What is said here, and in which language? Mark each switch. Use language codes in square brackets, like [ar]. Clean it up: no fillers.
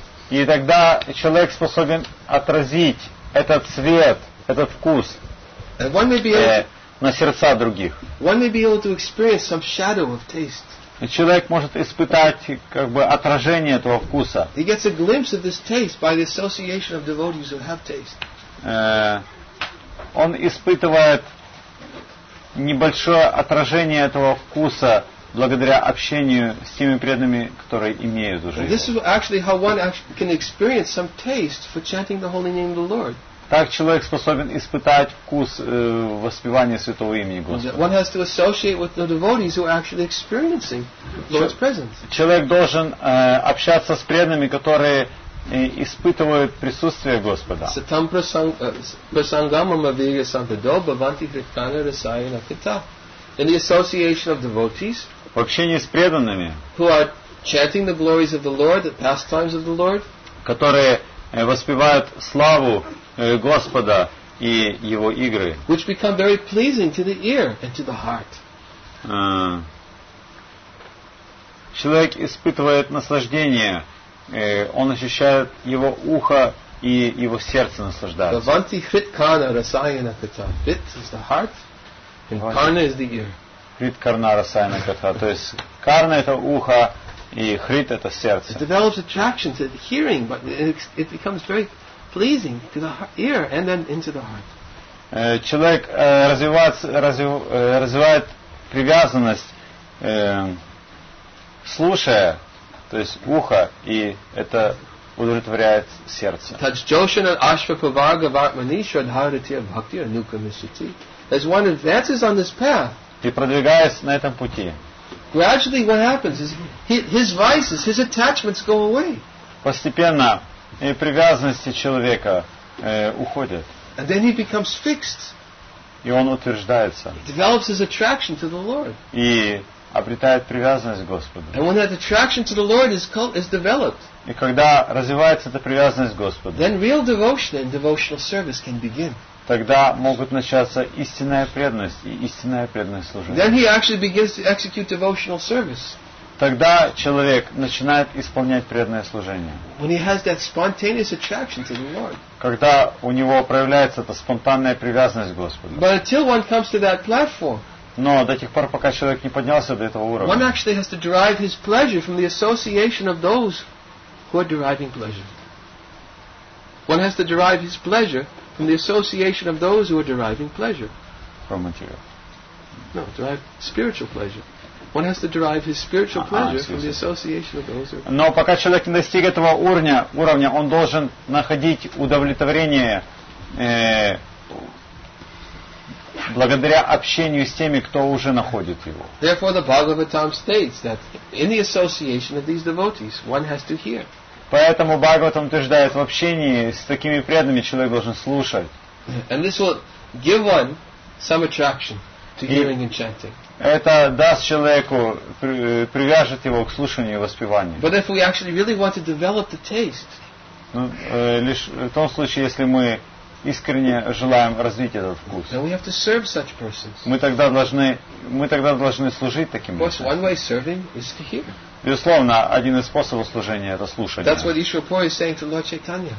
[ru] И тогда человек способен отразить этот цвет, этот вкус на сердца других. [en] One may be able to experience some shadow of taste. [ru] И человек может испытать как бы отражение этого вкуса. [en] He gets a glimpse of this taste by the association of devotees who have taste. [ru] Он испытывает небольшое отражение этого вкуса благодаря общению с теми преданными, которые имеют уже. [en] This is actually how one can experience some taste for chanting the holy name of the Lord. [ru] Так человек способен испытать вкус воспевания святого имени Господа. [en] One has to associate with the devotees who are actually experiencing Lord's presence. [ru] Человек должен общаться с преданными, которые испытывают присутствие Господа. [sa] Satam prasangam avirya santado bhavanti kritana rasayana kita. [en] In the association of devotees, [ru] в общении с преданными, [en] who are chanting the glories of the Lord, the pastimes of the Lord, [ru] которые воспевают славу Господа и его игры, [en] which become very pleasing to the ear and to the heart. [ru] Человек испытывает наслаждение, он ощущает его ухо и его сердце наслаждается. [sa] Bhavanti hritkana rasayana kata. [en] Hrit is the heart and karna is the ear. [sa] Hritkarna rasayana kata. [ru] То есть карна это ухо и хрит это сердце. [en] It develops attraction to the hearing, but it becomes very pleasing to the ear and then into the heart. [ru] Человек развивает привязанность, слушая, то есть ухо, и это удовлетворяет сердце. [sa] Таджошина ашвапавага ватмани шрадхаратия бхактия нукамисити. [en] As one advances on this path, [ru] ты продвигаясь на этом пути, [en] gradually what happens is his vices, his attachments go away. [ru] Постепенно и привязанности человека уходят. [en] And then he becomes fixed. [ru] И он утверждается. [en] He develops his attraction to the Lord. [ru] И обретает привязанность к Господу. [en] And when that attraction to the Lord is developed, [ru] и когда развивается эта привязанность к Господу, [en] then real devotion and devotional service can begin. [ru] Тогда могут начаться истинная преданность и истинная преданность служения. [en] Then he actually begins to execute devotional service. [ru] Тогда человек начинает исполнять преданное служение. [en] When he has that spontaneous attraction to the Lord. [ru] Когда у него проявляется эта спонтанная привязанность к Господу. [en] But until one comes to that platform, [ru] но до тех пор, пока человек не поднялся до этого уровня, [en] one actually has to derive his pleasure from the association of those who are deriving pleasure. One has to derive his pleasure from the association of those who are deriving pleasure. From material. No, derive spiritual pleasure. One has to derive his spiritual pleasure from the association of those who... [ru] Но пока человек не достиг этого уровня, он должен находить удовлетворение благодаря общению с теми, кто уже находит его. [en] Therefore, the Bhagavatam states that in the association of these devotees, one has to hear. [ru] Поэтому Бхагаватам утверждает, в общении с такими преданными человек должен слушать. [en] And this will give one some attraction to hearing and chanting. [ru] Это даст человеку, привяжет его к слушанию и воспеванию. [en] But if we actually really want to develop the taste, [ru] ну, лишь в том случае, если мы искренне желаем развить этот вкус, [en] then we have to serve such persons. [ru] Мы тогда должны служить таким людям. [en] Of course, one way serving is to hear. [ru] Безусловно, один из способов служения — это слушание. [en] That's what Ишварапури is saying to Lord Chaitanya.